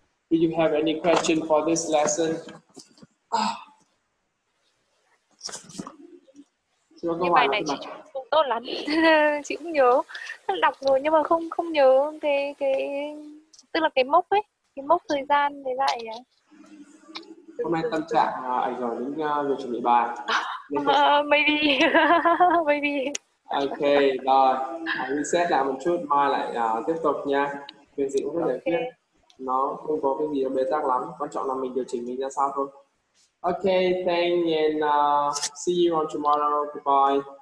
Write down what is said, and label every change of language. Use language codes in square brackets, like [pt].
[en] Do you have any question for this lesson? [vi] Cái bài này chị cũng tốt lắm. Chị cũng nhớ. Đọc rồi nhưng mà không nhớ cái tức là cái mốc ấy, cái mốc thời gian đấy lại nhỉ. Hôm nay tâm trạng ảnh hưởng đến việc chuẩn bị bài. [en] Maybe. [vi] Okay, rồi. Reset lại một chút, mai lại tiếp tục nha. Chuyện gì cũng có giải quyết. Nó không có cái gì bế tắc lắm. Quan trọng là mình điều chỉnh mình ra sao thôi. [en] Okay, thank you, and see you on tomorrow. Goodbye.